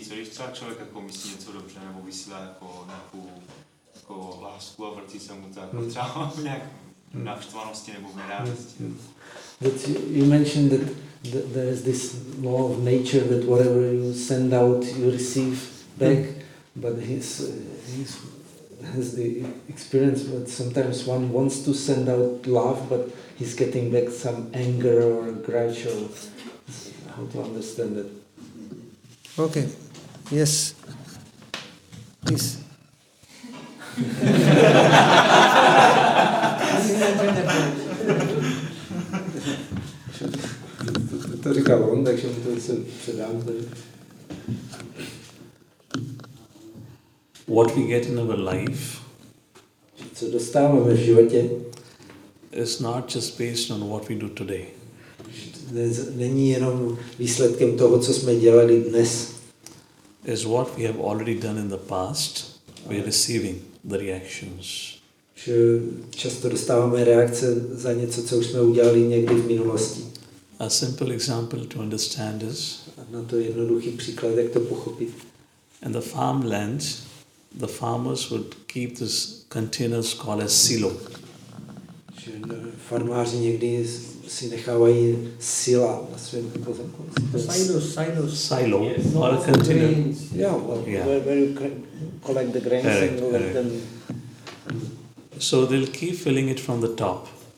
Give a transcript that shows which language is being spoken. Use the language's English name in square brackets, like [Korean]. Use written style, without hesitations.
[Czech] Co když třeba člověk jako myslí něco dobře, nebo vysílá jako nějakou jako lásku a vrací se mu to jako třeba v nějak naštvanosti nebo v nerávnosti? [English] But you mentioned that there is this law of nature that whatever you send out, you receive back. But he has the experience that sometimes one wants to send out love, but he's getting back some anger or grudge or... How to understand it. Okay. Yes. Please. [Czech] To říkal on, takže mu to se předám. Tady. [English] What we get in our life, [Czech] co dostáváme v životě, [English] is not just based on what we do today. [Czech] Není jenom výsledkem toho, co jsme dělali dnes. [English] Is what we have already done in the past. We are receiving the reactions. [Czech] Že často dostáváme reakce za něco, co už jsme udělali někdy v minulosti. [English] A simple example to understand is. [Czech] Na to jednoduchý příklad, jak to pochopit. [English] In the farmland, the farmers would keep this containers called as silo. [Czech] Že farmáři někdy si nechávají sila na svém pozemku. [English] Silo. Yes. Or a container. Where you collect the grains and collect them. So they'll keep filling it from the top.